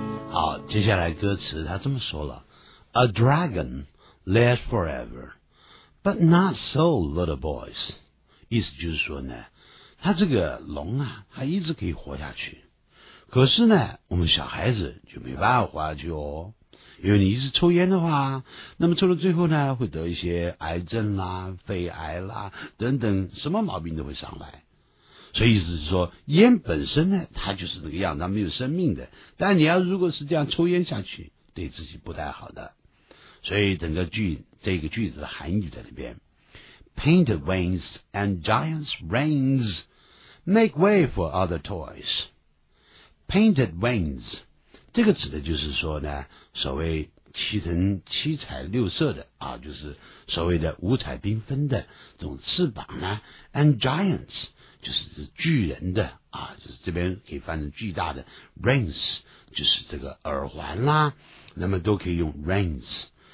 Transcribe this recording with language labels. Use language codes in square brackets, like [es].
[zh] 好，接下来歌词他这么说了， [en] A dragon lives forever, but not so little boys. [zh] 意思就是说呢，他这个龙啊他一直可以活下去，可是呢我们小孩子就没办法活下去哦，因为你一直抽烟的话，那么抽到最后呢会得一些癌症啦、肺癌啦等等，什么毛病都会上来。所以意思是说，烟本身呢它就是那个样子，它没有生命的，但你要如果是这样抽烟下去对自己不太好的。所以整个句这个句子的含义在里边， [en] Painted wings and giant's rings make way for other toys. Painted wings, [zh] 这个指的就是说呢，所谓七层七彩六色的啊，就是所谓的五彩缤纷的这种翅膀呢， [en] and giant's [zh] 就是巨人的啊，就是这边可以翻成巨大的， rings 就是这个耳环啦，那么都可以用 rings。